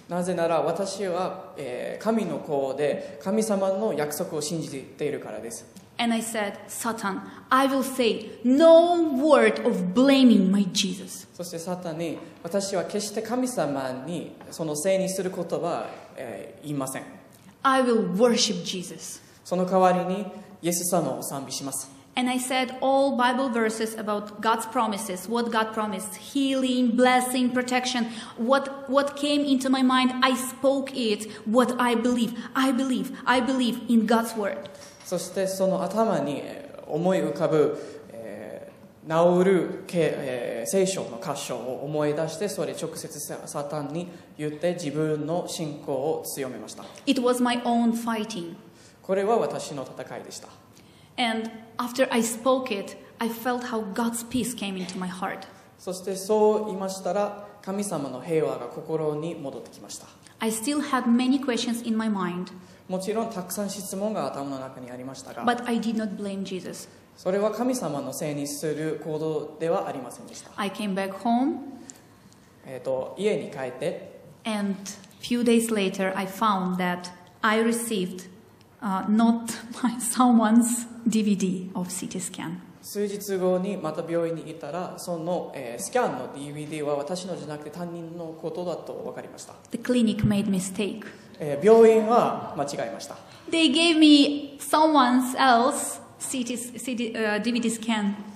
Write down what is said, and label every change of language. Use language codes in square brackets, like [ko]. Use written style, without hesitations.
[ja] なぜなら私は、神の子で神様の約束を信じているからです。 [en] And I said, Satan, I will say no word of blaming my Jesus. [ja] そしてサタンに、私は決して神様にそのせいにすることは、言いません。 [en] I will worship Jesus. [ja] その代わりに、イエス様を賛美します。 [en] And I said all Bible verses about God's promises, what God promised, healing, blessing, protection, what came into my mind, I spoke it, what I believe. I believe in God's word. [ja] そしてその頭に思い浮かぶ、治る、聖書の箇所を思い出してそれ直接サタンに言って自分の信仰を強めました。 [en] It was my own fighting. [ja] これは私の戦いでした。 [en] And after I spoke it, I felt how God's peace came into my heart. [ja] そしてそう言いましたら神様の平和が心に戻ってきました。 [en] I still had many questions in my mind. [ja] もちろんたくさん質問が頭の中にありましたが [en] But I did not blame Jesus. [ja] それは神様のせいにする行動ではありませんでした [en] I came back home. [ja] 家に帰って [en] And a few days later I found that I received not my someone's DVD of CT scan [ja] 数日後にまた病院に行ったらその、スキャンの DVD は私のじゃなくて他人のことだと分かりました [en] The clinic made mistake. [ja] 病院は間違えました。 [en] They gave me someone else CT, CT, DVD scan.